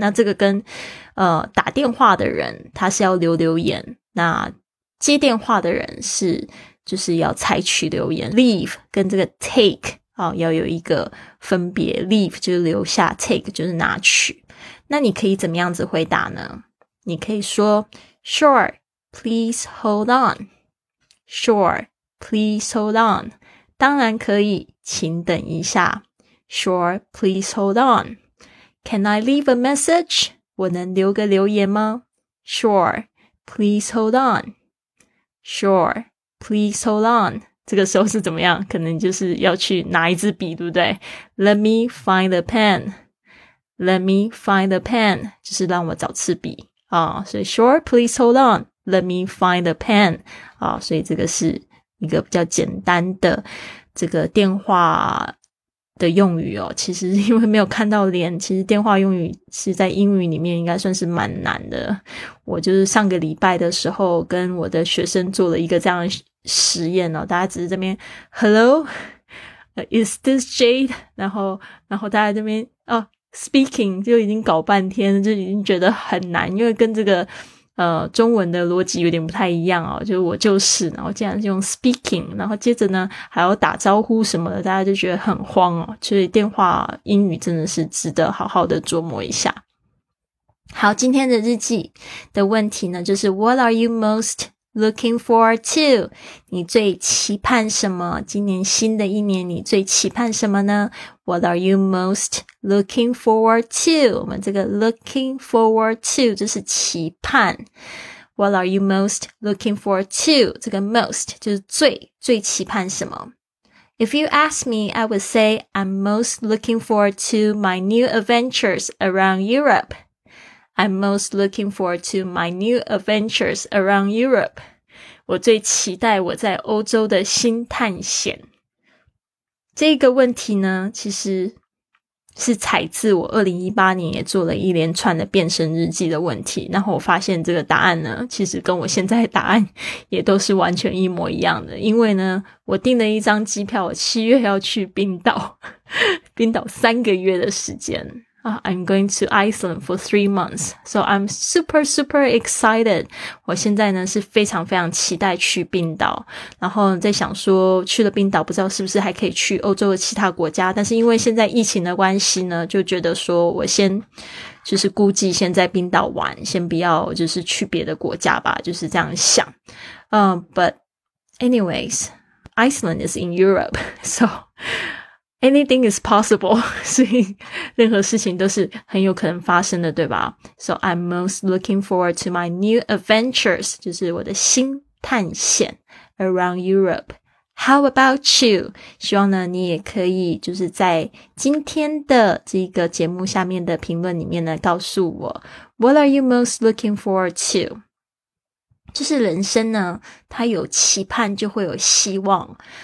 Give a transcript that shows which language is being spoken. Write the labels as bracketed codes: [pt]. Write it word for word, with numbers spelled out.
[zh] 那这个跟呃打电话的人他是要留留言，那接电话的人是就是要采取留言。 leave 跟这个 take、哦、要有一个分别， leave 就是留下， take 就是拿取。那你可以怎么样子回答呢？你可以说 [en] Sure, please hold on。Sure, please hold on。 [zh] 当然可以，请等一下 [en] Sure, please hold on. Can I leave a message? [zh] 我能留个留言吗 [en] Sure, please hold on. Sure, please hold on. [zh] 这个时候是怎么样？可能就是要去拿一支笔，对不对？ [en] Let me find a pen. Let me find a pen. [zh] 就是让我找支笔啊。所以 [en] Sure, please hold on. Let me find a pen. [zh] 啊，所以这个是一个比较简单的这个电话的用语哦。其实因为没有看到脸，其实电话用语是在英语里面应该算是蛮难的。我就是上个礼拜的时候跟我的学生做了一个这样的实验哦，大家只是这边 [en] Hello, is this Jade? [zh] 然后然后大家这边哦 speaking 就已经搞半天，就已经觉得很难，因为跟这个呃，中文的逻辑有点不太一样哦，就是我就是，然后竟然是用 speaking， 然后接着呢还要打招呼什么的，大家就觉得很慌哦，所以电话英语真的是值得好好的琢磨一下。好，今天的日记的问题呢，就是 [en] What are you most looking forward to？ [zh] 你最期盼什么？今年新的一年你最期盼什么呢？ [en] What are you most looking forward to？ [zh] 我们这个 [en] looking forward to [zh] 就是期盼。 [en] What are you most looking forward to？ [zh] 这个 most 就是最最期盼什么。 [en] If you ask me, I would say I'm most looking forward to my new adventures around Europe. I'm most looking forward to my new adventures around Europe. [zh] 我最期待我在欧洲的新探险。这个问题呢，其实是采自我二零一八年也做了一连串的变身日记的问题，然后我发现这个答案呢，其实跟我现在的答案也都是完全一模一样的。因为呢，我订了一张机票，我七月要去冰岛，冰岛三个月的时间。 [en] I'm going to Iceland for three months, so I'm super, super excited. [zh] 我现在呢是非常非常期待去冰岛，然后在想说去了冰岛不知道是不是还可以去欧洲的其他国家，但是因为现在疫情的关系呢，就觉得说我先就是估计先在冰岛玩，先不要就是去别的国家吧，就是这样想。 [en] 嗯、um, but anyways, Iceland is in Europe, so... Anything is possible. [zh] 所以任何事情都是很有可能发生的，对吧？ [en] So I'm most looking forward to my new adventures. [zh] 就是我的新探险 [en] around Europe. How about you? [zh] 希望呢你也可以就是在今天的这个节目下面的评论里面呢告诉我 [en] What are you most looking forward to? [zh] 就是人生呢它有期盼就会有希望。